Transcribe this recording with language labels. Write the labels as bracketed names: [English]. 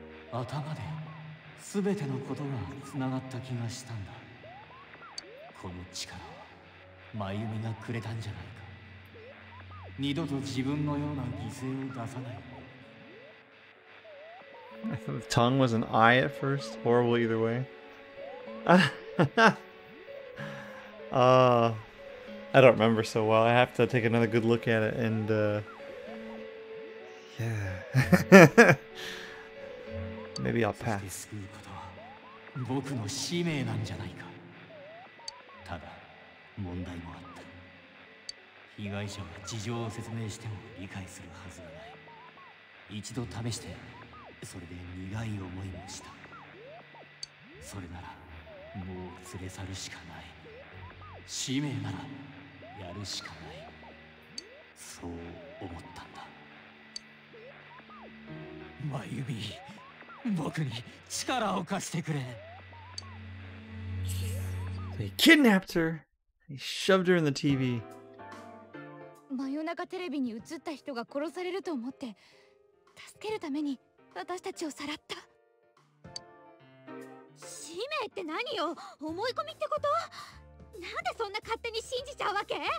[Japanese] 頭で全てのことがつながった気がしたんだ。この力は真由美がくれたんじゃないか。二度と自分のような犠牲を出さない。 [English] I thought the tongue was an eye at first. Horrible either way. I don't remember so well. I have to take another good look at it and, yeah. Maybe I'll pass. [Japanese] そして救うことは僕の使命なんじゃないか。ただ問題もあった。被害者は事情を説明しても理解するはずがない。一度試してそれで苦い思いもした。それならもう連れ去るしかない。使命ならやるしかない。そう思ったんだ。真由美、僕に力を貸してくれ。 [English] They kidnapped her. He shoved her in the TV. [Japanese] 真夜中テレビに映った人が殺されると思って、助けるために私たちをさらった。使命って何よ、思い込みってこと？なんでそんな勝手に信じちゃうわけ？